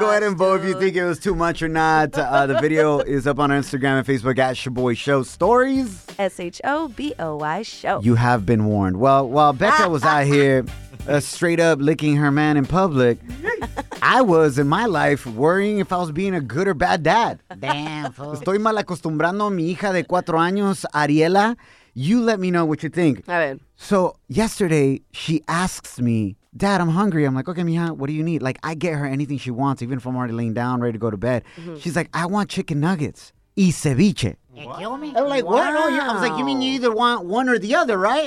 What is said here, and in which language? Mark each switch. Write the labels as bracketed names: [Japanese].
[English] Go ahead and vote if you think it was too much or not. The video is up on our Instagram and Facebook at Shaboy Show Stories. S-H-O-B-O-Y Show. You have been warned. Well, while Becca was out here straight up licking her man in public, I was in my life worrying if I was being a good or bad dad. Damn, fool. [Spanish] Estoy mal acostumbrando a mi hija de 4 años, Ariela. [English] You let me know what you think. All right. So yesterday, she asks me, Dad, I'm hungry. I'm like, okay, mija, what do you need? Like, I get her anything she wants, even if I'm already laying down, ready to go to bed. Mm-hmm. She's like, I want chicken nuggets [Spanish] y ceviche. [English] kill me? Like, wow. What? I was like, you mean you either want one or the other, right?